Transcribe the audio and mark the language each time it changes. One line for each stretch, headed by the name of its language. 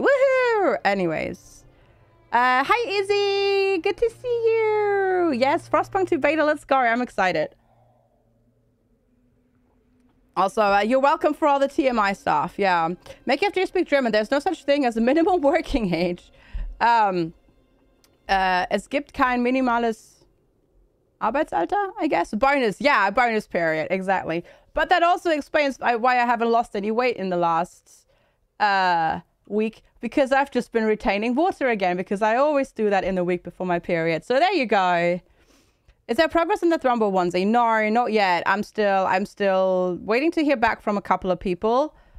English: Woohoo! Anyways. Hi, Izzy! Good to see you! Yes, Frostpunk 2 beta, let's go, I'm excited. Also, you're welcome for all the TMI stuff. Yeah. Make FGSQUARED German. There's no such thing as a minimum working age.
German: Es gibt kein minimales Arbeitsalter,
English: I guess. Bonus, yeah, bonus period, exactly. But that also explains why I haven't lost any weight in the last week, because I've just been retaining water again, because I always do that in the week before my period. So there you go. Is there progress in the thrombo onesie? No, not yet. I'm still waiting to hear back from a couple of people.